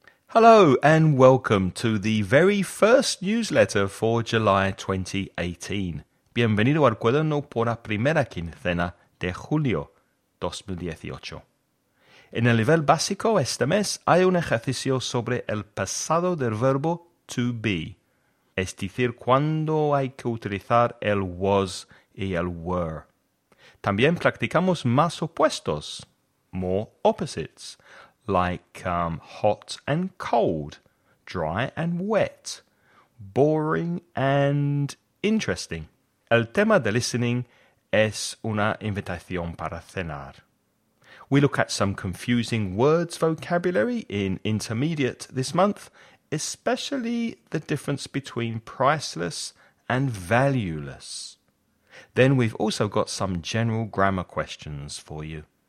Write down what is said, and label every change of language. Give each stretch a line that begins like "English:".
English: Hello and welcome to the very first newsletter for July 2018.
Spanish: Bienvenido al cuaderno por la primera quincena de julio 2018. En el nivel básico este mes hay un ejercicio sobre el pasado del verbo to be, es decir, cuando hay que utilizar el was y el were. También practicamos más opuestos,
English: more opposites, like hot and cold, dry and wet, boring and interesting.
Spanish: El tema de listening es una invitación para cenar.
English: We look at some confusing words vocabulary in intermediate this month, especially the difference between priceless and valueless. Then we've also got some general grammar questions for you.